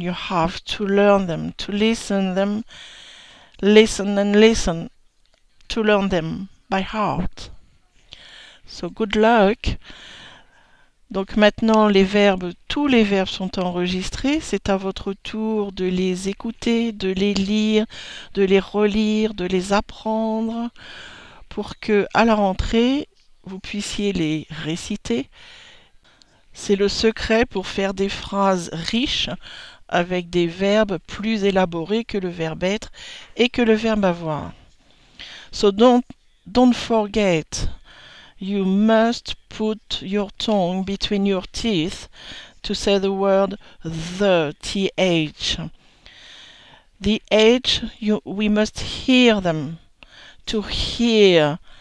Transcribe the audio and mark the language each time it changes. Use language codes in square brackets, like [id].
[en] You have to learn them, to listen them, listen and listen, to learn them by heart. So good luck. [fr] Donc maintenant les verbes, tous les verbes sont enregistrés. C'est à votre tour de les écouter, de les lire, de les relire, de les apprendre pour que à la rentrée vous puissiez les réciter. C'est le secret pour faire des phrases riches avec des verbes plus élaborés que le verbe être et que le verbe avoir. [en] So don't forget, you must put your tongue between your teeth to say the word the, th. The h, we must hear them, to hear.